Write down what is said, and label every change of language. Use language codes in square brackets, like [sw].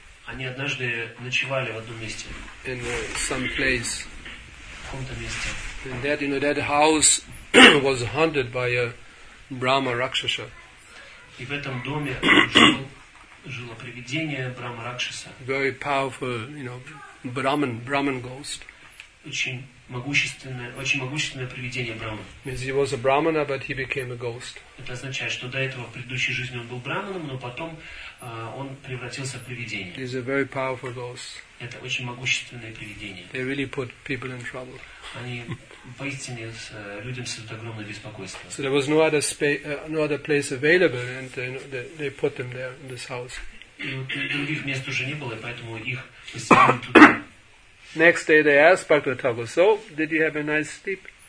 [ru] Они однажды ночевали в одном месте. [en] In some place. [ru] В каком-то месте. [en] And that, you know, that house was haunted by a Brahma Rakshasa. [ru] И в этом доме жило привидение Брама Ракшаса. [en] Very powerful, you know, Brahman ghost. [ru] Очень могущественное привидение Брама. [en] Means he was a Brahmana, but he became a ghost. [ru] Это означает, что до этого в предыдущей жизни он был Брахманом, но потом он превратился в привидение. [en] He's a very powerful ghost. [ru] Это очень могущественное привидение. [en] They really put people in trouble. [ru] Они поистине людям создают огромное беспокойство. [en] So there was no other no other place available, and they put them there in this house. [ru] И других мест уже не было, поэтому их поселили туда. [en] Next day they asked Bhakti Thakur, so did you have a nice sleep?